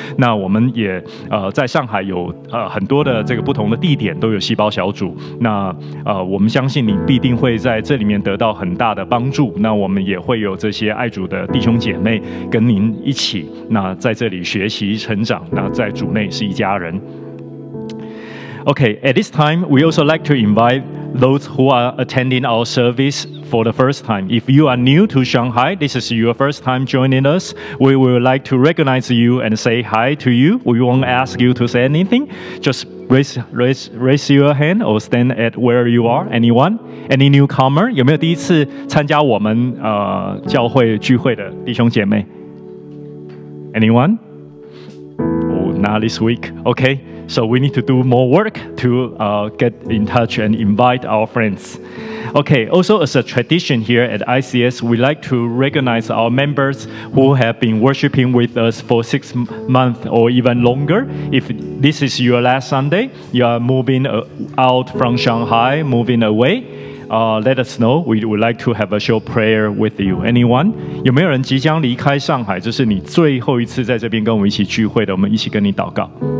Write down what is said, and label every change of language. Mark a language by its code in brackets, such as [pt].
[zh] 那我们也在上海有很多的这个不同的地点都有细胞小组。那我们相信你必定会在这里面得到很大的帮助。那我们也会有这些爱主的弟兄姐妹跟您一起，那在这里学习成长，那在主内是一家人。 [en] Okay, at this time, we also like to invite those who are attending our service for the first time. If you are new to Shanghai, this is your first time joining us, we would like to recognize you and say hi to you. We won't ask you to say anything, just raise your hand or stand at where you are. Anyone? Any newcomer? [zh] 有没有第一次参加我们教会聚会的弟兄姐妹？ [en] Anyone? Oh, not this week. Okay, so we need to do more work to get in touch and invite our friends. Okay, also as a tradition here at ICS, we like to recognize our members who have been worshiping with us for 6 months or even longer. If this is your last Sunday, you are moving out from Shanghai, moving away, let us know. We would like to have a short prayer with you. Anyone? [zh] 有没有人即将离开上海？这是你最后一次在这边跟我们一起聚会的，我们一起跟你祷告。